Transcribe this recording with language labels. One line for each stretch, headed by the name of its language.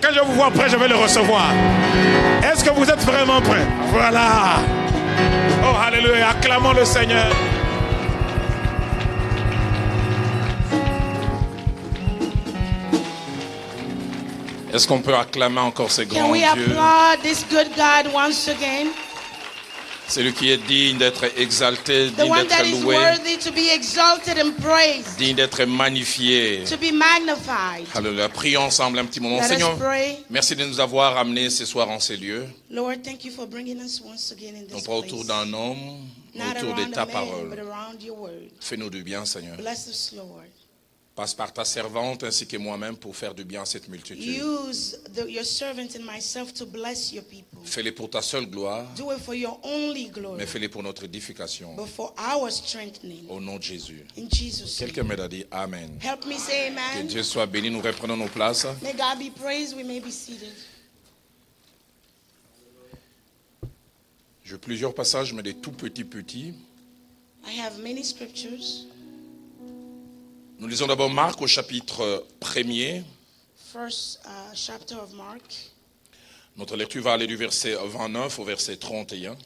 French: Quand je vais vous voir prêt, je vais le recevoir. Est-ce que vous êtes vraiment prêts? Voilà. Oh, alléluia, acclamons le Seigneur. Est-ce qu'on peut acclamer encore ce grand
English: Can we applaud this good God once again?
French: Celui qui est digne d'être exalté,
English: the
French: digne d'être loué,
English: worthy to be exalted and praised,
French: digne d'être magnifié,
English: to be magnified.
French: Alléluia. Prions ensemble un petit moment.
English: Let
French: Seigneur,
English: us pray.
French: Merci de nous avoir amenés ce soir en ces lieux.
English: Lord, thank you for bringing us once again in this
French: place. Non pas autour d'un homme, mais autour de ta parole.
English: But around your word.
French: Fais-nous du bien, Seigneur.
English: Bless us, Lord.
French: Passe par ta servante ainsi que moi-même pour faire du bien à cette multitude.
English: Use your servant and myself to bless your people.
French: Fais-le pour ta seule gloire.
English: Do it for your only glory.
French: Mais fais-le pour notre édification.
English: But for our strengthening.
French: Au nom de Jésus.
English: In Jesus' name.
French: Quelqu'un m'a dit Amen.
English: Help me say Amen.
French: Que Dieu soit béni, nous reprenons nos places.
English: May God be praised, we may be seated.
French: J'ai plusieurs passages, mais des tout petits.
English: I have many scriptures.
French: Nous lisons d'abord Marc au chapitre 1er.
English: First, chapter of Mark.
French: Notre lecture va aller du verset 29 au verset 31.